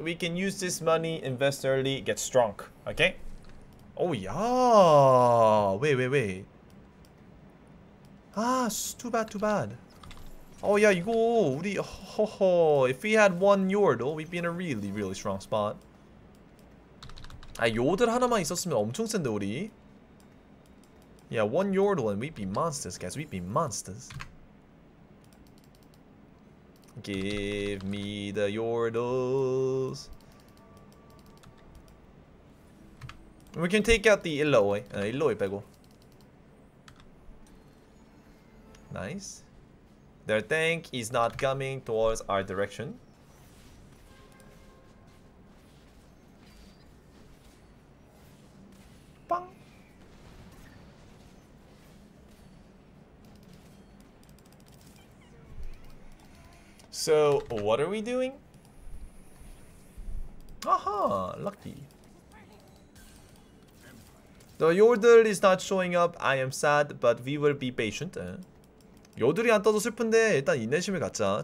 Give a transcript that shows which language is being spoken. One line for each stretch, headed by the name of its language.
English: We can use this money, invest early, get strong. Okay? Oh, yeah. Wait. Ah, too bad. Oh, yeah,
Korean: 이거 우리,
English: if we had one yord, oh, we'd be in a really, really strong spot.
Korean: 아, 요들 하나만 있었으면 엄청 센데, 우리.
English: Yeah, one yord and we'd be monsters, guys. We'd be monsters. Give me the Yordles. We can take out the Illaoi. Illaoi 빼고. Nice. Their tank is not coming towards our direction. So, what are we doing? Aha! Lucky. The Yordle is not showing up. I am sad, but we will be patient.
Korean: 요들이 안 떠도 슬픈데 일단 인내심을 갖자.